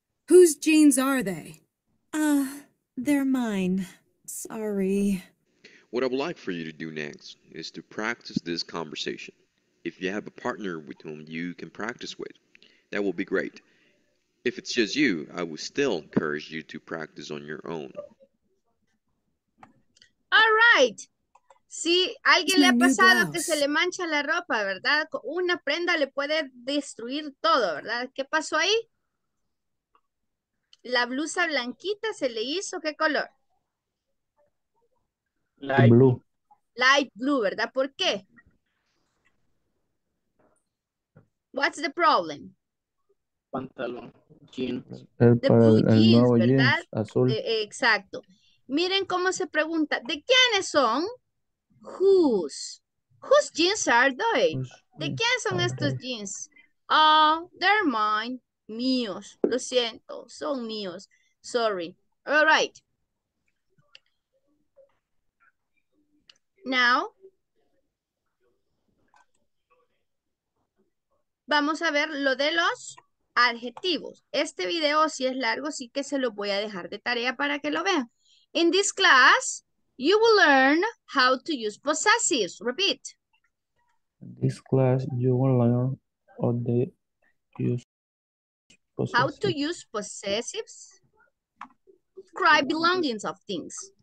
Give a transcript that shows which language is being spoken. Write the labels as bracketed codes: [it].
[en] Whose jeans are they? They're mine. Sorry. What I would like for you to do next is to practice this conversation. If you have a partner with whom you can practice with, that will be great. If it's just you, I would still encourage you to practice on your own. All right. [es] Si alguien le ha pasado que se le mancha la ropa, ¿verdad? Una prenda le puede destruir todo, ¿verdad? ¿Qué pasó ahí? La blusa blanquita se le hizo, ¿qué color? [en] Light blue. Light blue, [es] ¿verdad? ¿Por qué? [en] What's the problem? [es] Pantalón, jeans. El blue jeans, ¿verdad? Jeans, azul. Exacto. Miren cómo se pregunta, ¿de quiénes son? [en] Whose? Whose jeans are they? [es] ¿De quién son estos jeans? [en] Oh, they're mine. [es] Míos. Lo siento, son míos. [en] Sorry. All right. [es] Now, vamos a ver lo de los adjetivos. Este video, si es largo, sí que se lo voy a dejar de tarea para que lo vean. [en] In this class, you will learn how to use possessives. Repeat. In this class, you will learn how to use possessives. How to use possessives? Describe belongings of things.